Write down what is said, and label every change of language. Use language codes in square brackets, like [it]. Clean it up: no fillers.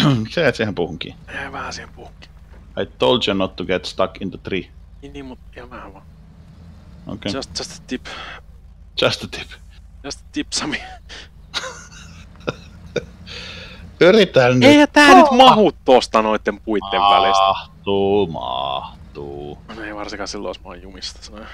[fi] Sä jäät siihen puuhun kiinni. Jäi vähän siihen puuhun kiinni. [en] I told you not to get stuck in the tree. [fi] Niin, mutta ihan vähän vaan. [en] Okay. Just a tip. Just a tip. Just a tip, Sami. [fi] Yritän nyt. Eihän tää nyt mahu tosta noitten puitten välistä. Mahtuu. No ei varsinkaan silloin, jos mä oon jumista.